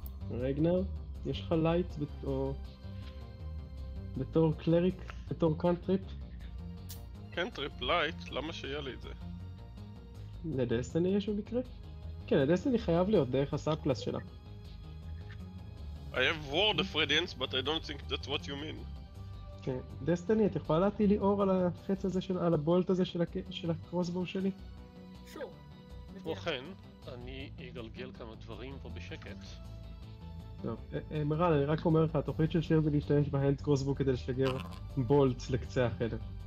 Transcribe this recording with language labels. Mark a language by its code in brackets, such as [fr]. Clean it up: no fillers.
[he] רגנר? יש לך לייט בתור קלריק? בתור קנטריפ? קנטריפ, לייט? למה שיהיה לי את זה? לדסטיני יש במקרה? כן, לדסטיני חייב להיות דרך הסאב-קלאס שלה. [en] I have word of radiance, but I don't think that's what you mean. [he] כן, דסטיני, את יכולה להטיל לי אור על החץ הזה של, על הבולט הזה של הקרוסבור שלי? שוב. וכן, אני אגלגל כמה דברים פה בשקט. טוב, מרן, אני רק אומר לך, התוכנית של שיר זה להשתמש בהנד קרוסבור כדי לשגר בולט לקצה החדר.